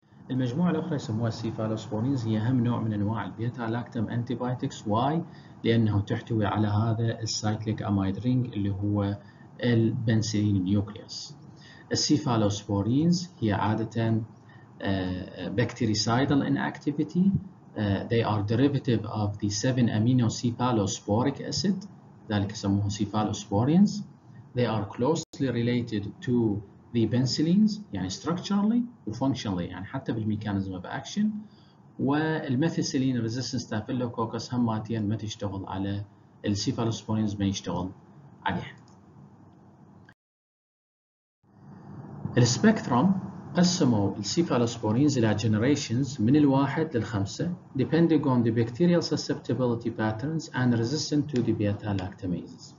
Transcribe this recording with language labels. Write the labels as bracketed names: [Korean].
[Arabic] المجموعة الأخرى يسموها cephalosporins هي أهم نوع من أنواع البيتا لاكتم antibiotics. why؟ لأنه تحتوي على هذا cyclic amide ring اللي هو البنسلين nucleus. [English] cephalosporins [Arabic] هي عادة [English] bactericidal in activity. They are derivative of the 7-amino cephalosporic acid. [Arabic] ذلك يسموه cephalosporins. [English] They are closely related to the penicillins, يعني structurally and functionally, يعني حتى بالميكانيزم of action. [Arabic] والمثيسيلين [English] resistant staphylococcus [Arabic] هم ماتين ما تشتغل على cephalosporins ما يشتغل عليها. [English] السبكترم قسموا السيفالوسبورينز الى جنريشنز [Arabic] من الواحد للخمسة [English] depending on the bacterial susceptibility patterns and resistant to the beta lactamases.